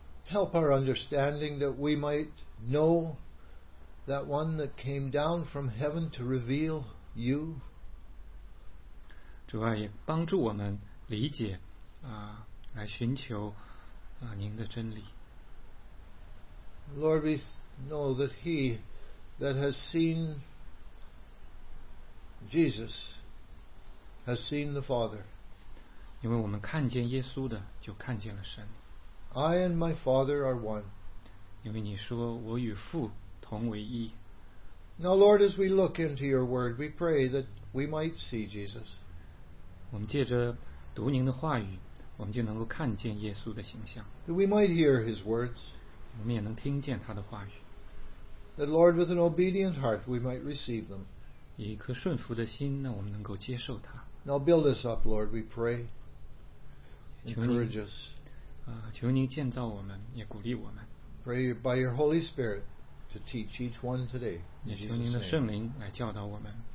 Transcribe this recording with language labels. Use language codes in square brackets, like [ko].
[en] Help our understanding that we might know that one that came down from heaven to reveal you. [zh] 主啊，也帮助我们理解来寻求您的真理。 [en] Lord, we know that he that has seen Jesus has seen the Father. [zh] 因为我们看见耶稣的就看见了神。 [en] I and my Father are one. [zh] 因为你说我与父同为一。 [en] Now Lord, as we look into your word, we pray that we might see Jesus. [zh] 我们借着读您的话语，我们就能够看见耶稣的形象。 [en] That we might hear his words. [zh] 我们也能听见他的话语。 [en] That Lord, with an obedient heart, we might receive them. [zh] 以一颗顺服的心，那我们能够接受他。 [en] Now build us up, Lord, we pray. encourage us. [zh] 求您建造我们，也鼓励我们。 [en] Pray by your Holy Spirit to teach each one today. [zh] 也求您的圣灵来教导我们。